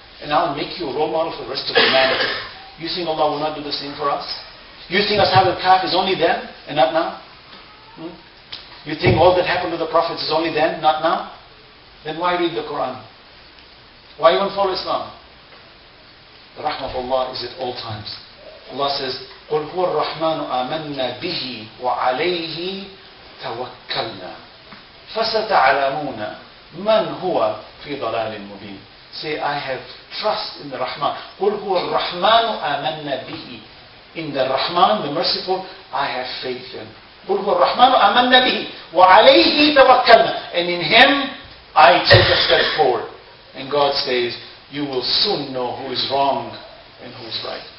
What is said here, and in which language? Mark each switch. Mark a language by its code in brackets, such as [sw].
[en] And I'll make you a role model for the rest of humanity. You think Allah will not do the same for us? You think Ashab al-Kahf is only then and not now? You think all that happened to the prophets is only then, not now? Then why read the Quran? Why even follow Islam? The rahmah of Allah is at all times. Allah says, [ar] قُلْ هُوَ الرَّحْمَنُ آمَنَّا بِهِ وَعَلَيْهِ تَوَكَّلْنَا فَسَتَعْلَمُونَ مَنْ هُوَ فِي ضَلَالٍ مُبِينٍ. [en] Say, I have trust in the Rahman. [ar] قُلْ هُوَ الرَّحْمَنُ آمَنَّا بِهِ. [en] In the Rahman, the Merciful, I have faith in. [ar] قُلْ هُوَ الرَّحْمَنُ آمَنَّا بِهِ وَعَلَيْهِ تَوَكَّلْنَا. [en] And in Him, I take a step forward. And God says, you will soon know who is wrong and who is right.